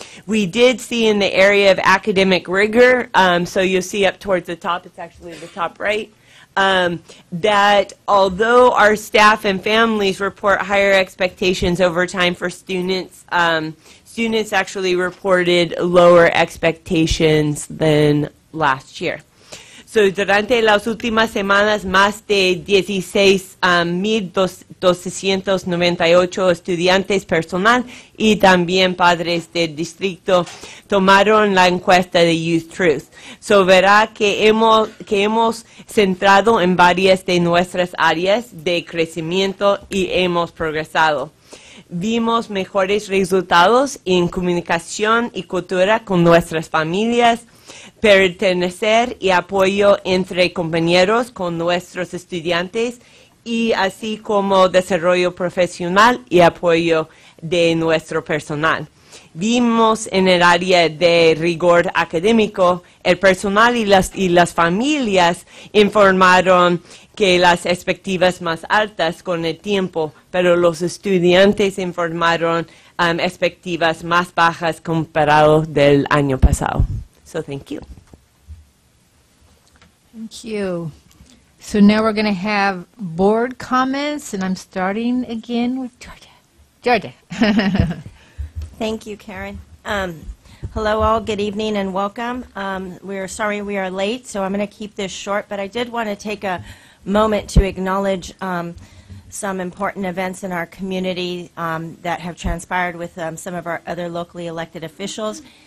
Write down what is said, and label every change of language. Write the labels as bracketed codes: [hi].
[en] We did see in the area of academic rigor, so you'll see up towards the top, it's actually the top right, that although our staff and families report higher expectations over time for students, students actually reported lower expectations than last year. [es] So durante las últimas semanas, más de 16,298 estudiantes personal y también padres del distrito tomaron la encuesta de Youth Truth. So verá que hemos centrado en varias de nuestras áreas de crecimiento y hemos progresado. Vimos mejores resultados en comunicación y cultura con nuestras familias, pertenecer y apoyo entre compañeros con nuestros estudiantes, y así como desarrollo profesional y apoyo de nuestro personal. Vimos en el área de rigor académico, el personal y las familias informaron que las expectativas más altas con el tiempo, pero los estudiantes informaron expectativas más bajas comparado del año pasado. [en] So thank you. Thank you. So now we're going to have board comments, and I'm starting again with Georgia. Georgia. Thank you, Karen. Hello, all. Good evening and welcome. We're sorry we are late, so I'm going to keep this short, but I did want to take a moment to acknowledge some important events in our community that have transpired with some of our other locally elected officials.